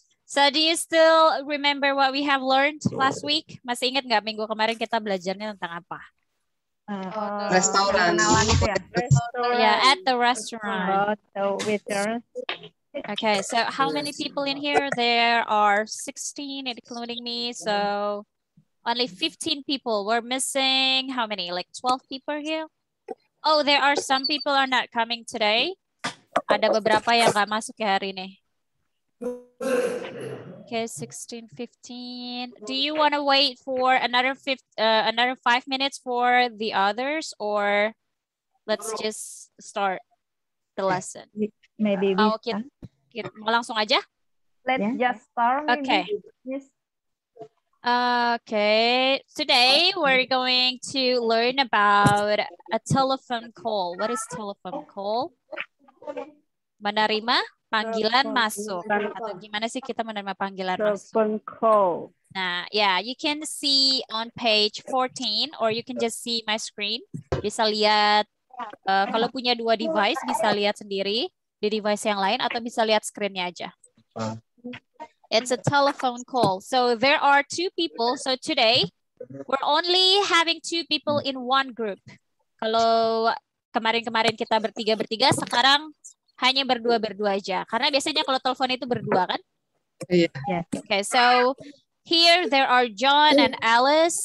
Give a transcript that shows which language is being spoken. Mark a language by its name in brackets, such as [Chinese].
[English] So, do you still remember what we have learned last week? [Indonesian] Masih ingat nggak minggu kemarin kita belajarnya tentang apa? Restoran. [English] Yeah, at the restaurant. So with your. Okay, so how many people in here? There are 16, including me. So only 15 people. We're missing how many? Like 12 people here? Oh, there are some people are not coming today. [Indonesian] Ada beberapa yang gak masuk ya hari ini. [English] Okay, 16, 15. Do you want to wait for another 5 minutes for the others? Or let's just start the lesson. Maybe we start. Okay. [Indonesian] Mau langsung aja? [English] Let's just start. Okay. Okay. Today we're going to learn about a telephone call. What is telephone call? [Indonesian] Menerima panggilan masuk. Atau gimana sih kita menerima panggilan masuk? [English] Telephone call. Nah, yeah. You can see on page 14 or you can just see my screen. [Indonesian] Bisa lihat. Kalau punya dua device bisa lihat sendiri. Di device yang lain atau bisa lihat screen-nya aja. [English] It's a telephone call. So there are two people. So today we're only having two people in one group. [Indonesian] Kalau kemarin-kemarin kita bertiga-bertiga, sekarang hanya berdua-berdua aja. Karena biasanya kalau telepon itu berdua kan? Iya. [English] Yeah. Okay, so here there are John and Alice.